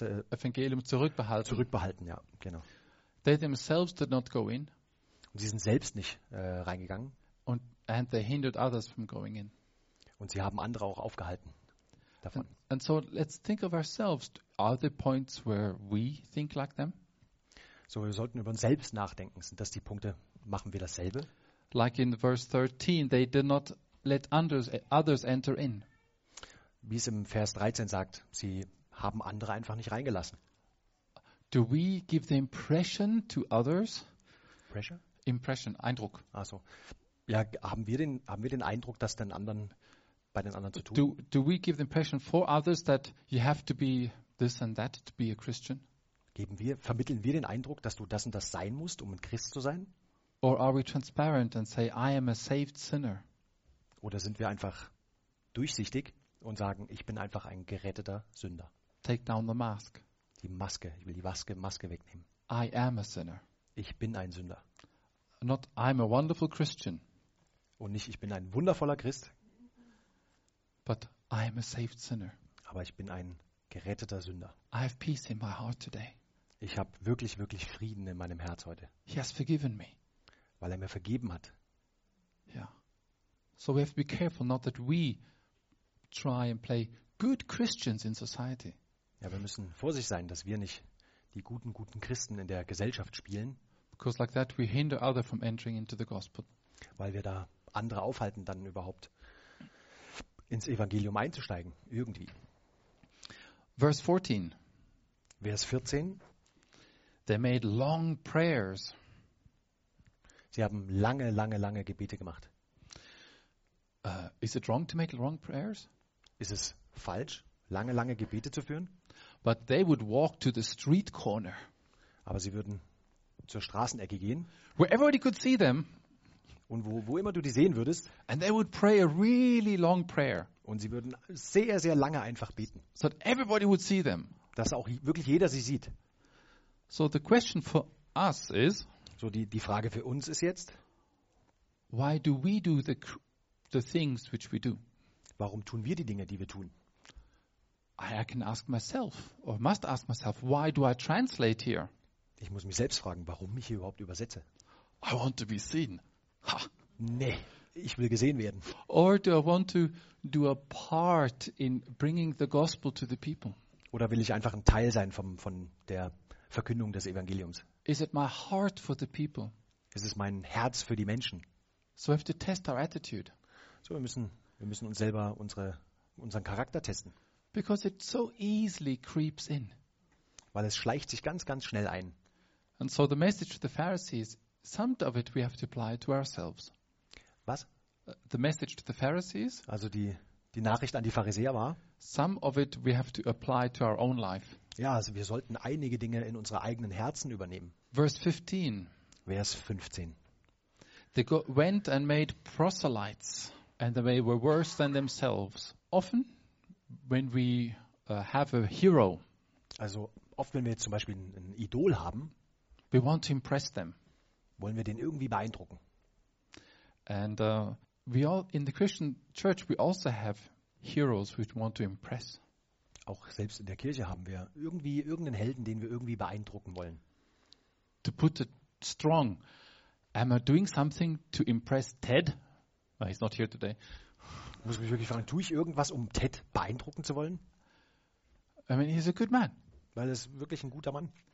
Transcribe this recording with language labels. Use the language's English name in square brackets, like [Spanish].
[German] Evangelium zurückbehalten. Zurückbehalten, ja, genau. [English] They themselves did not go in. [German] Und sie sind selbst nicht reingegangen. [English] And they hindered others from going in. [German] Und sie haben andere auch aufgehalten davon. [English] And so let's think of ourselves. Are there points where we think like them? [German] So wir sollten über uns selbst nachdenken. Sind das die Punkte? Machen wir dasselbe? [English] Like in verse 13, they did not let others enter in. [German] Wie es im Vers 13 sagt, sie haben andere einfach nicht reingelassen. [English] Do we give the impression to others? Pressure? [German] Impression, Eindruck. Ach so. Ja, haben wir den Eindruck, dass den anderen bei den anderen zu tun? [English] Do we give the impression for others that you have to be this and that to be a Christian? [German] Vermitteln wir den Eindruck, dass du das und das sein musst, um ein Christ zu sein? [English] Or are we transparent and say I am a saved sinner? [German] Oder sind wir einfach durchsichtig und sagen, ich bin einfach ein geretteter Sünder? [English] Take down the mask. [German] Die Maske, ich will die Maske wegnehmen. [English] I am a sinner. [German] Ich bin ein Sünder. [English] Not I'm a wonderful Christian. [German] Und nicht ich bin ein wundervoller Christ. [English] But I am a saved sinner. [German] Aber ich bin ein geretteter Sünder. [English] I have peace in my heart today. [German] Ich habe wirklich, wirklich Frieden in meinem Herz heute. [English] He has forgiven me. [German] Weil er mir vergeben hat. [English] Yeah. So we have to be careful not that we try and play good Christians in society. [German] Ja, wir müssen vorsichtig sein, dass wir nicht die guten Christen in der Gesellschaft spielen. [English] Because like that we hinder others from entering into the gospel. [German] Weil wir da andere aufhalten, dann überhaupt ins Evangelium einzusteigen, irgendwie. [English] Verse 14. [German] Vers 14. [English] They made long prayers. [German] Sie haben lange, lange, lange Gebete gemacht. [English] Is it wrong to make long prayers? [German] Ist es falsch, lange, lange Gebete zu führen? [English] But they would walk to the street corner. [German] Aber sie würden zur Straßenecke gehen. [English] Where everybody could see them. [German] Und wo immer du die sehen würdest. [English] And they would pray a really long prayer. [German] Und sie würden sehr, sehr lange einfach beten. [English] So that everybody would see them. [German] Dass auch wirklich jeder sie sieht. [English] So the question for us is. [German] So die Frage für uns ist jetzt. [English] Why do we do the things which we do? [German] Warum tun wir die Dinge, die wir tun? [English] I can ask myself, or must ask myself, why do I translate here? [German] Ich muss mich selbst fragen, warum ich hier überhaupt übersetze. [English] I want to be seen. Ha. [German] Nee, ich will gesehen werden. [English] Or do I want to do a part in bringing the gospel to the people? [German] Oder will ich einfach ein Teil sein von der Verkündung des Evangeliums? [English] Is it my heart for the people? [German] Ist es mein Herz für die Menschen? [English] So we have to test our attitude. [German] So wir müssen uns selber unseren Charakter testen. [English] Because it so easily creeps in. [German] Weil es schleicht sich ganz, ganz schnell ein. [English] And so the message to the Pharisees, some of it we have to apply to ourselves. [German] Was? [English] The message to the Pharisees. [German] Also die Nachricht an die Pharisäer war. [English] Some of it we have to apply to our own life. [German] Ja, also wir sollten einige Dinge in unsere eigenen Herzen übernehmen. [English] Verse 15. [German] Vers 15. [English] They went and made proselytes, and they were worse than themselves. Often, when we have a hero. [German] Also oft, wenn wir jetzt zum Beispiel ein Idol haben. [English] We want to impress them. [German] Wollen wir den irgendwie beeindrucken? [English] And we all in the Christian church we also have heroes who want to impress. [German] Auch selbst in der Kirche haben wir irgendwie irgendeinen Helden, den wir irgendwie beeindrucken wollen. [English] To put it strong, am I doing something to impress Ted? Well, he's not here today. [German] Muss mich wirklich fragen, tue ich irgendwas, um Ted beeindrucken zu wollen? [English] I mean, he's a good man. [German] Weil er ist wirklich ein guter Mann.